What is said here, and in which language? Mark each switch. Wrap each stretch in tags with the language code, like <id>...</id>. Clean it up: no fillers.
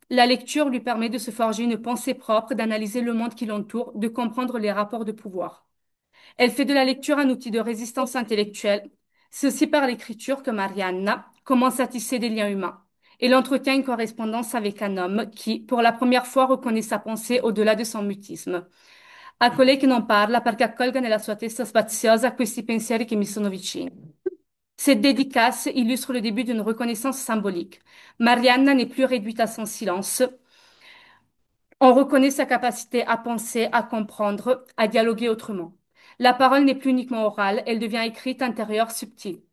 <fr>La lecture lui permet de se forger une pensée propre, d'analyser le monde qui l'entoure, de comprendre les rapports de pouvoir. Elle fait de la lecture un outil de résistance intellectuelle. C'est aussi par l'écriture que Marianne commence à tisser des liens humains. Elle entretient une correspondance avec un homme qui, pour la première fois, reconnaît sa pensée au-delà de son mutisme.</fr> <it>A colei che non parla perché accolga nella sua testa spaziosa questi pensieri che mi sono vicini.</it> <fr>Cette dédicace illustre le début d'une reconnaissance symbolique. Marianne n'est plus réduite à son silence. On reconnaît sa capacité à penser, à comprendre, à dialoguer autrement. La parole n'est plus uniquement orale, elle devient écrite, intérieure, subtile.</fr>